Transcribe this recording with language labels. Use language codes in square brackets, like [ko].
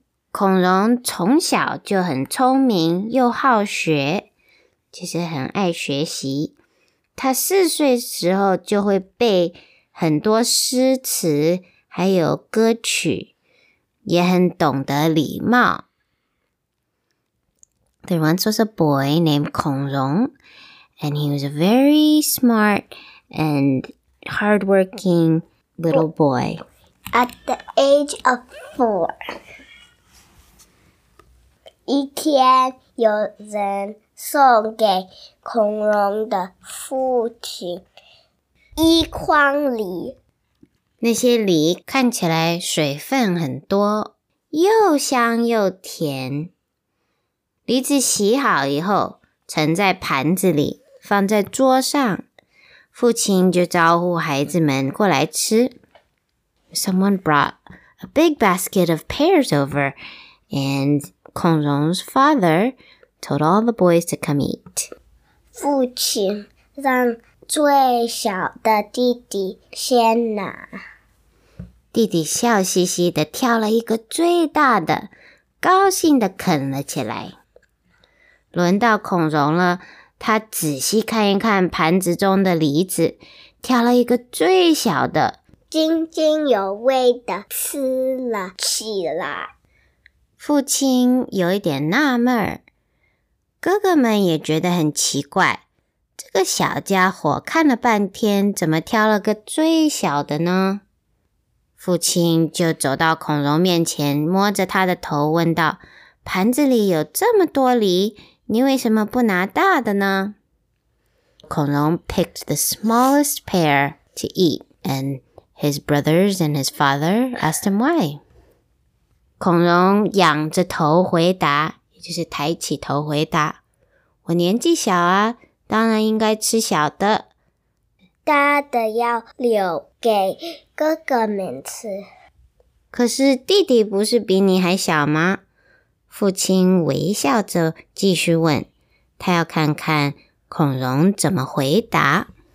[zh] 孔融从小就很聪明又好学，其实很爱学习。他四岁时候就会背很多诗词还有歌曲，也很懂得礼貌。 [en] There once was a boy named Kong Rong, and he was a very smart and hardworking little boy. At the age of 4, [zh] 一天有人送给孔融的父亲一筐梨。那些梨看起来水分很多，又香又甜。梨子洗好以后，盛在盘子里，放在桌上。父亲就招呼孩子们过来吃。 [en] Someone brought a big basket of pears over, and Kong Rong's father told all the boys to come eat. [zh] 父亲让最小的弟弟先拿。弟弟笑嘻嘻地挑了一个最大的，高兴地啃了起来。轮到孔融了，他仔细看一看盘子中的梨子，挑了一个最小的，津津有味地吃了起来。父亲有一点纳闷，哥哥们也觉得很奇怪，这个小家伙看了半天，怎么挑了个最小的呢？父亲就走到孔融面前，摸着他的头问道，盘子里有这么多梨，你为什么不拿大的呢？ [en] 孔融 picked the smallest pear to eat, and his brothers and his father asked him why. [zh] 孔融仰着头回答，也就是抬起头回答，我年纪小啊，当然应该吃小的。大的要留给哥哥们吃。可是弟弟不是比你还小吗？父亲微笑着继续问，他要看看孔融怎么回答。